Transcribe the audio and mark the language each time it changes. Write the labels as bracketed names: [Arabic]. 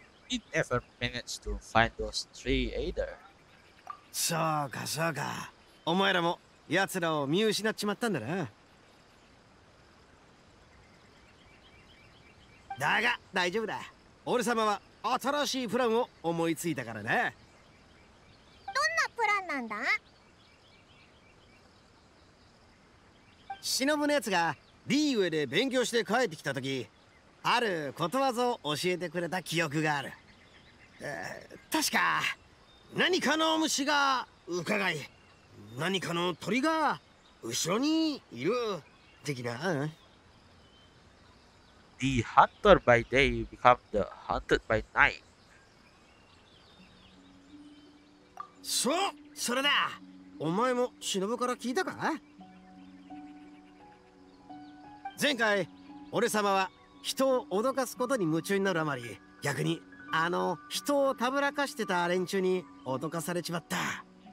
[English] We never managed to find those three either. [Japanese] そうかそうか、お前らも奴らを見失っちまったんだな。だが大丈夫だ。俺様は新しいプランを思いついたからね。どんなプランなんだ。忍のやつがリーウェイで勉強して帰ってきた時、あることわざを教えてくれた記憶がある、確か何かの虫がうかがい、何かの鳥が後ろにいる的な。 [English] The hunter by day becomes the hunted by night. [Japanese] そう、それだ。お前も忍から聞いたか。前回、俺様は人を脅かすことに夢中になるあまり、逆にあの人をたぶらかしてた連中に脅かされちまった。